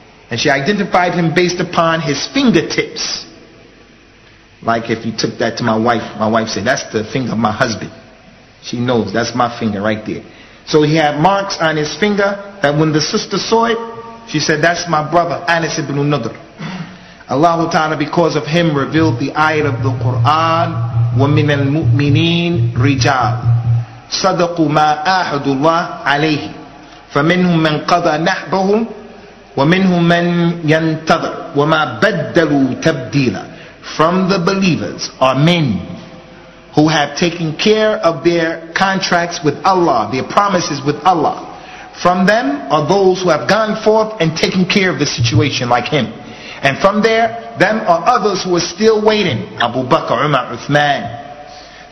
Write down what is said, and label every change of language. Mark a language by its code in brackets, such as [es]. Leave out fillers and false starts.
[en] And she identified him based upon his fingertips. Like if you took that to my wife said, that's the finger of my husband. She knows, that's my finger right there. So he had marks on his finger that when the sister saw it, she said, that's my brother, Anas ibn Nadr. Allah Ta'ala, because of him, revealed the ayat of the Qur'an, [ar] وَمِنَ الْمُؤْمِنِينَ رِجَالٌ صَدَقُوا مَا أَحَدُ اللَّهِ عَلَيْهِ فَمِنْهُمْ مَنْ قَضَى نَحْبَهُمْ وَمِنْهُمْ مَنْ يَنْتَظَرُ وَمَا بَدَّلُوا تَبْدِيلًا. [en] From the believers are men who have taken care of their contracts with Allah, their promises with Allah. From them are those who have gone forth and taken care of the situation like him. And from there, them are others who are still waiting. Abu Bakr, Umar, Uthman.